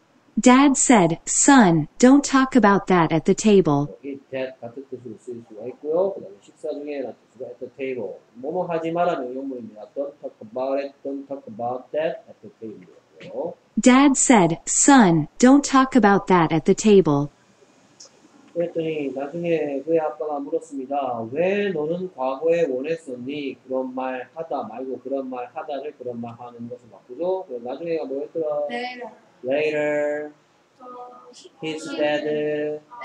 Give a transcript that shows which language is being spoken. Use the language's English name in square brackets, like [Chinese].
[English] Dad said, Son, don't talk about that at the table. [Korean] Dad 같은 뜻으로 쓰일 수가 있고요. 그다음에 식사 중에 라는 뜻으로 [English] at the table. [Korean] 뭐뭐 하지 마라 명령문입니다. [English] Don't talk about it. Don't talk about that at the table. Dad said, Son, don't talk about that at the table. [Korean] 그랬더니 나중에 그의 아빠가 물었습니다. 왜 너는 과거에 원했었니? 그런 말 하다 말고 그런 말 하다를 그런 말 하는 것을 바꾸죠. 나중에가 뭐였더라? [English] Later. His dad